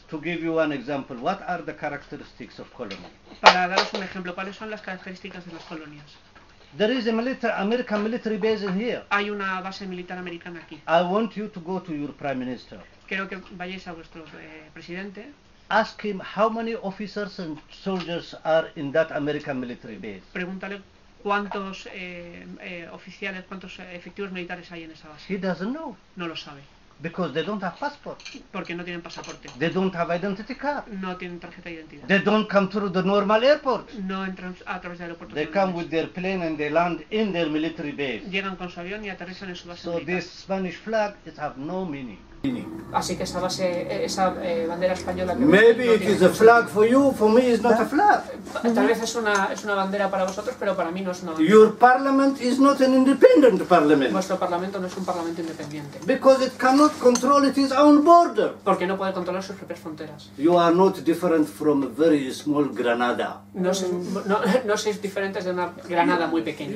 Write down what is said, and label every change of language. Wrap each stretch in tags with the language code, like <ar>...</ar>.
<en>To give you an example, what are the characteristics of colonies?</en> <es>Para daros un ejemplo, ¿cuáles son las características de las colonias?</es> <en>There is a American military base in here.</en> <es>Hay una base militar americana aquí.</es> <en>I want you to go to your prime minister.</en> <es>Quiero que vayáis a vuestro presidente.</es> <en>Ask him how many officers and soldiers are in that American military base.</en> <es>Pregúntale cuántos oficiales, cuántos efectivos militares hay en esa base.</es> <en>He doesn't know.</en> <es>No lo sabe.</es> <en>Because they don't have passport.</en> <es>Porque no tienen pasaporte.</es> <en>They don't have identity card.</en> <es>No tienen tarjeta de identidad.</es> <en>They don't come through the normal airport.</en> <es>No entran a través del aeropuerto.</es> <en>They come with their plane and they land in their military base.</en> <es>Llegan con su avión y aterrizan en su base.</es> <en>So this Spanish flag, it have no meaning.</en> <es>Así que esa base, esa bandera española. Que</es> <en>maybe it is a flag for you, for me it's not a flag.</en> <es>Tal vez es una bandera para vosotros, pero para mí no es una bandera.</es> <en>Your parliament is not an independent parliament.</en> <es>Vuestro parlamento no es un parlamento independiente.</es> <en>Because it cannot control its own border.</en> <es>Porque no puede controlar sus propias fronteras.</es> <en>You are not different from a very small Granada.</en> <es>No sois diferentes de una Granada muy pequeña.</es>